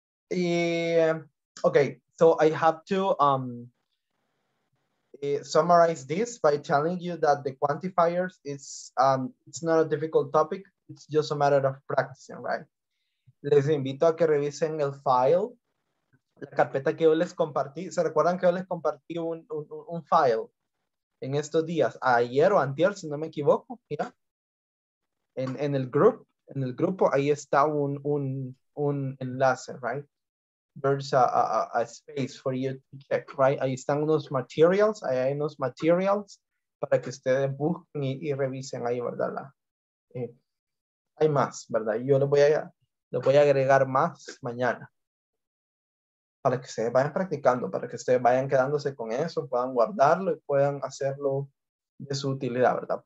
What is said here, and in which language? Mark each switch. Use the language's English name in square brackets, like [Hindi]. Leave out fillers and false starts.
[English] Yeah. Okay, so I have to summarize this by telling you that the quantifiers is it's not a difficult topic, it's just a matter of practicing, right? [Spanish] Les invito a que revisen el file, la carpeta que yo les compartí. ¿Se recuerdan que yo les compartí un file en estos días? Ayer o antier, si no me equivoco, ¿ya? En el group, en el grupo, ahí está un enlace, right? [English] There's a space for you to check, right? [Spanish] Ahí están unos materials, ahí hay unos materials para que ustedes busquen y revisen ahí, ¿verdad? Hay más, ¿verdad? Yo lo voy a agregar más mañana para que ustedes vayan practicando, para que ustedes vayan quedándose con eso, puedan guardarlo y puedan hacerlo de su utilidad, ¿verdad?